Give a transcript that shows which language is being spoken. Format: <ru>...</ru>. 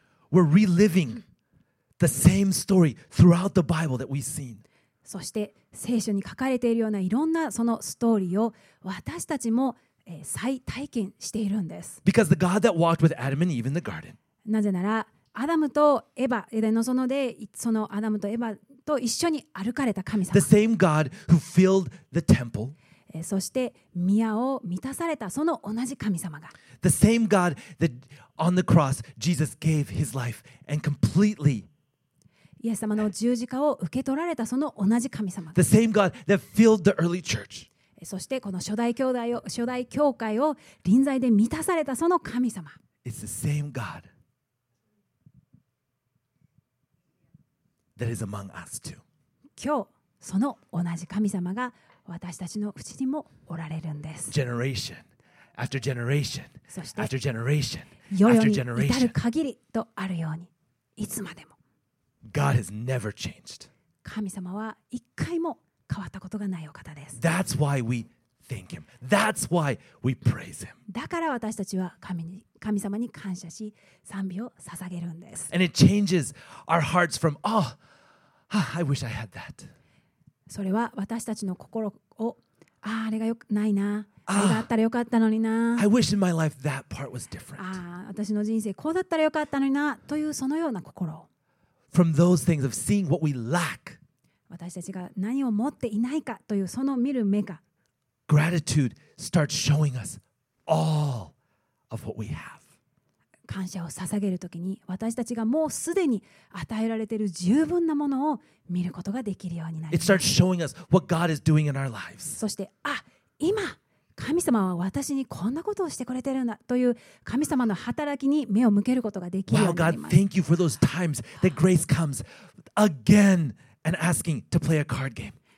<en>We're reliving the same story throughout the Bible that we've seen.</en> <ja>そして聖書に書かれているようないろんなそのストーリーを私たちも再体験しているんです。</ja> <en>Because the God that walked with Adam and Eve in the garden.</en> <ja>なぜならアダムとエヴァエデンの園でそのアダムとエヴァと一緒に歩かれた神様、</ja> <en>The same God who filled the temple.</en> <ja>そして宮を満たされたその同じ神様が、</ja> <en>The same God that on the cross Jesus gave his life and completely.</en> <ja>イエス様の十字架を受け取られたその同じ神様です。</ja> <en>The same God that filled the early church.</en> <ja>そしてこの初代教会を臨在で満たされたその神様。</ja> <en>It's the same God that is among us too.</en> <ja>今日その同じ神様が私たちのうちにもおられるんです。</ja> <en>Generation after generation after generation after generation.</en> <ja>世々に至る限りとあるようにいつまでも。</ja> <en>God has never changed.</en> <ja>神様は一回も変わったことがないお方です。</ja> <en>That's why we thank Him. That's why we praise Him.</en> <ja>だから私たちは神様に感謝し賛美を捧げるんです。</ja> <en>And it changes our hearts from, oh, I wish I had that.</en> <ja>それは私たちの心を、ああ、あれがよくないな。あれがあったらよかったのにな。</ja> <en>I wish in my life that part was different.</en> <ja>ああ、私の人生こうだったらよかったのにな。というそのような心を。</ja> <en>From those things of seeing what we lack,</en> <ja>私たちが何を持っていないかというその見る目が、</ja> <en>gratitude starts showing us all of what we have.</en> <ja>感謝を捧げるときに私たちがもうすでに与えられている十分なものを見ることができるようになります。</ja> <en>It starts showing us what God is doing in our lives.</en> <ja>そして、あ、今神様は私にこんなことをしてくれてるんだという神様の働きに目を向けることができるようになります。</ja> <en>Wow, God, thank you for those times that grace comes again and asking to play a card game.</en>